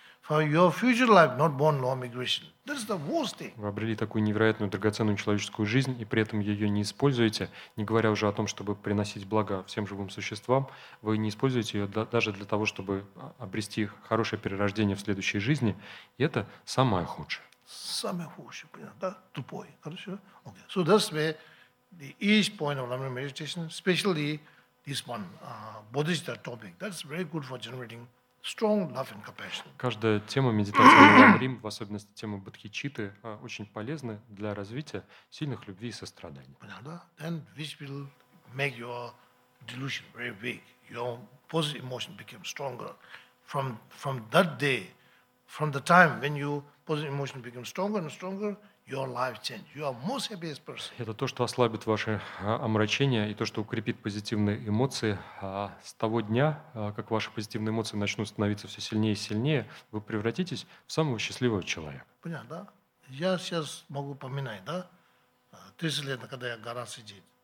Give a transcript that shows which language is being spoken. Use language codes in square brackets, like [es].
[en] For your future life, not born law migration. That's the worst thing. [ru] Вы обрели такую невероятную драгоценную человеческую жизнь и при этом ее не используете, не говоря уже о том, чтобы приносить благо всем живым существам, вы не используете ее даже для того, чтобы обрести хорошее перерождение в следующей жизни. И это самое худшее. Самое худшее, понятно, да? Тупой. Хорошо? Okay. [en] So that's where the each point of Lama meditation, especially this one, Bodhisattva topic, that's very good for generating strong love and compassion. [ru] Каждая тема медитации Ламрим, в особенности тема Бодхичитты, очень полезна для развития сильных любви и сострадания. Понятно, да? [en] Then which will make your delusion very weak. Your positive emotion became stronger. From that day, from the time when you positive emotion became stronger and stronger, your life changed. You are most happiest person. [ru] Это то, что ослабит ваше омрачение и то, что укрепит позитивные эмоции. С того дня, как ваши позитивные эмоции начнут становиться все сильнее и сильнее, вы превратитесь в самого счастливого человека. Понятно, да? Я сейчас могу поминать, да? 30 лет, когда я в горах сидел.